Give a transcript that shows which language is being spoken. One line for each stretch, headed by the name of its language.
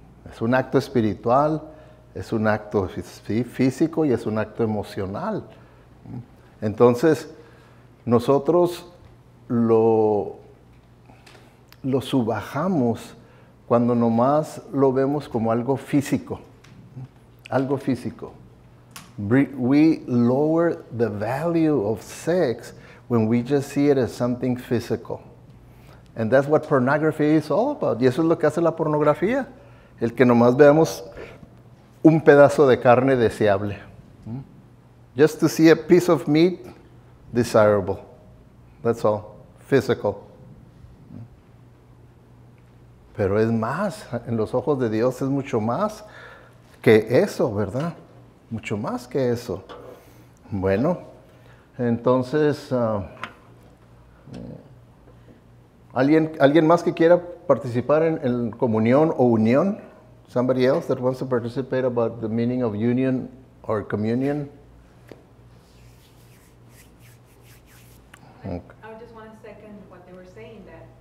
Spanish: Es un acto espiritual, es un acto físico y es un acto emocional. Entonces nosotros lo subajamos cuando nomás lo vemos como algo físico, algo físico.
English: We lower the value of sex when we just see it as something physical. And that's what pornography is all about.
Spanish: Y eso es lo que hace la pornografía. El que nomás veamos un pedazo de carne deseable.
English: Just to see a piece of meat, desirable. That's all. Physical.
Spanish: Pero es más, en los ojos de Dios es mucho más que eso, ¿verdad? Mucho más que eso. Bueno, entonces, ¿alguien más que quiera participar en comunión o unión?
English: Somebody else that wants to participate about the meaning of union or communion? Okay. I just want to second what they were saying, that